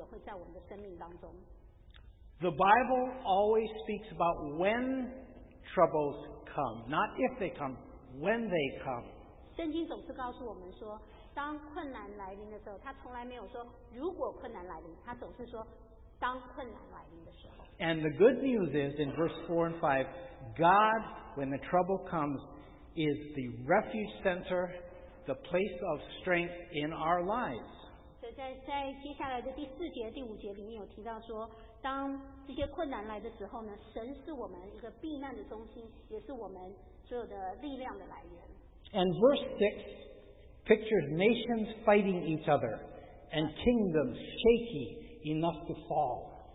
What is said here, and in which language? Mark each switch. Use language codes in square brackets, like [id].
[zh] 或者是有一些财务上面的困难，或者有一些像上瘾的一些东西，像这样的问题也会在我们的生命当中。The [en] Bible always speaks about when troubles come, not if they come, when they come. [zh] 圣经总是告诉我们说，当困难来临的时候，他从来没有说如果困难来临，他总是说当困难来临的时候。 [en] And the good news is, in verse 4 and 5, God, when the trouble comes, is the refuge center, the place of strength in our lives. [zh] 所以在接下来的第四节、第五节里面有提到说，当这些困难来的时候呢，神是我们一个避难的中心，也是我们所有的力量的来源。And [en] verse 6 pictures nations fighting each other, and kingdoms shaky enough to fall.